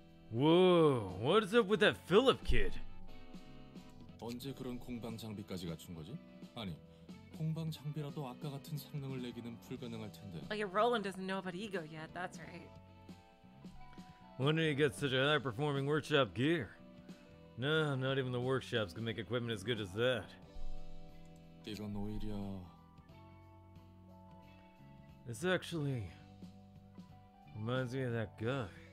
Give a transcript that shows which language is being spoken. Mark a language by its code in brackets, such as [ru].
[en] Whoa, what is up with that Philip kid? [ko] 언제 그런 공방 장비까지 갖춘 거지? 아니, 공방 장비라도 아까 같은 성능을 내기는 불가능할 텐데. [en] Oh, yeah, Roland doesn't know about ego yet. That's right. When did he get such a high-performing workshop gear? No, not even the workshops can make equipment as good as that. [ko] 이건 오히려... [en] This actually reminds me of that guy.